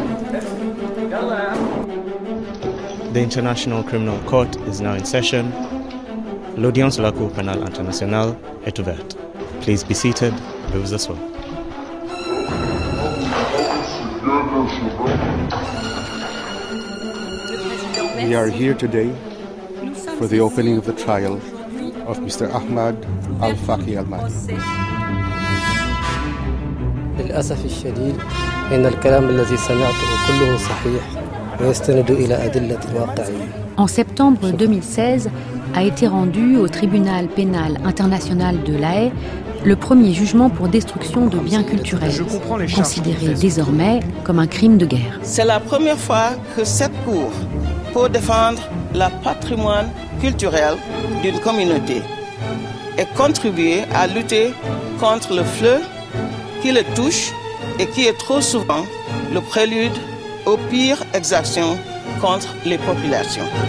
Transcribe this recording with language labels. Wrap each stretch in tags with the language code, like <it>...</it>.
<en>The International Criminal Court is now in session.</en> <fr>L'audience de la Cour pénale internationale est ouverte.</fr> <en>Please be seated.</en> <fr>Veuillez vous asseoir.</fr> <en>We are here today for the opening of the trial of Mr. Ahmad Al-Faqi Al-Mahdi.</en> <ar>للأسف الشديد إن الكلام الذي سمعته كله صحيح ويستند إلى أدلة واقعية.</ar> <fr>En septembre 2016, a été rendu au Tribunal pénal international de La Haye le premier jugement pour destruction de biens culturels, considéré désormais comme un crime de guerre. C'est la première fois que cette cour peut défendre le patrimoine culturel d'une communauté et contribuer à lutter contre le fléau qui le touche et qui est trop souvent le prélude aux pires exactions contre les populations.</fr>